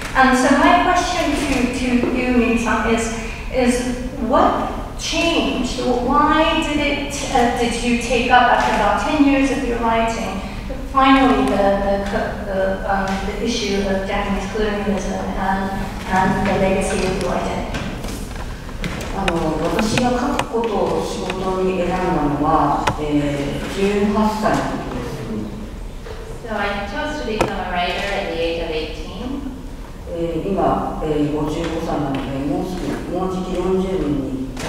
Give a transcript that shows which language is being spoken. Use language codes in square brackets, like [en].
[en] And so my question to you, Min-san, is what changed? Why did it? Did you take up after about 10 years of your writing, finally the issue of Japanese colonialism and the legacy of your identity? [ja] 私が書くことを仕事に選んだのは18歳の時です。So [en] I chose to become a writer at the age of 18. [ja] 今55歳なのでもうじき40年に。